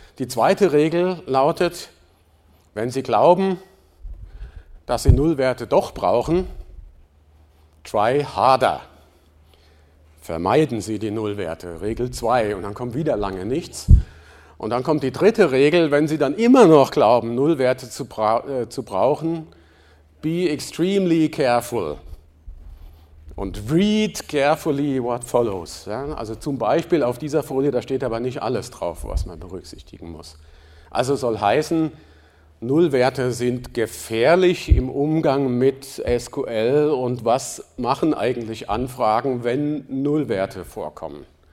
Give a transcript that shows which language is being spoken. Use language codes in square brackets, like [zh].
[de] Die zweite Regel lautet, wenn Sie glauben, dass Sie Nullwerte doch brauchen, [en] try harder. [de] Vermeiden Sie die Nullwerte, Regel 2. Und dann kommt wieder lange nichts. Und dann kommt die dritte Regel, wenn Sie dann immer noch glauben, Nullwerte zu brauchen, [en] be extremely careful. Und read carefully what follows. [de] Ja, also zum Beispiel auf dieser Folie, da steht aber nicht alles drauf, was man berücksichtigen muss. Also soll heißen, Nullwerte sind gefährlich im Umgang mit SQL und was machen eigentlich Anfragen, wenn Nullwerte vorkommen?